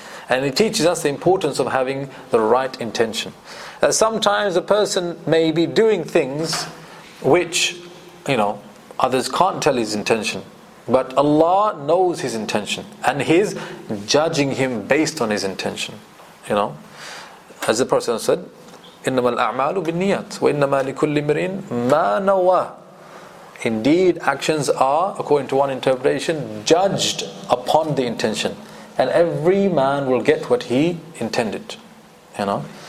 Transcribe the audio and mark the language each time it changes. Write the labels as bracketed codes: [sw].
[en] And it teaches us the importance of having the right intention. That sometimes a person may be doing things which, you know, others can't tell his intention. But Allah knows his intention, and he's judging him based on his intention. You know, as the Prophet said, [ar] إِنَّمَا الْأَعْمَالُ بِالنِّيَّةِ وَإِنَّمَا لِكُلِّ مِرِينْ مَا نَوَى. [en] Indeed, actions are, according to one interpretation, judged upon the intention. And every man will get what he intended. You know?